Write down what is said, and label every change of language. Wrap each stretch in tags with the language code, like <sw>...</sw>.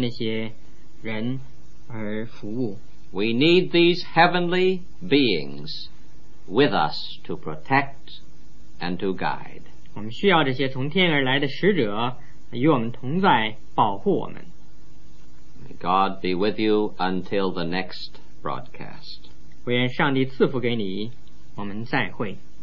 <zh>现代的基督教也有许多的故事提到天使为那些人而服务。</zh> <en>We need these heavenly beings with us to protect and to guide.</en> <zh>我们需要这些从天而来的使者与我们同在保护我们。</zh> <en>May God be with you until the next broadcast.</en> <zh>我愿上帝赐福给你，我们再会。</zh>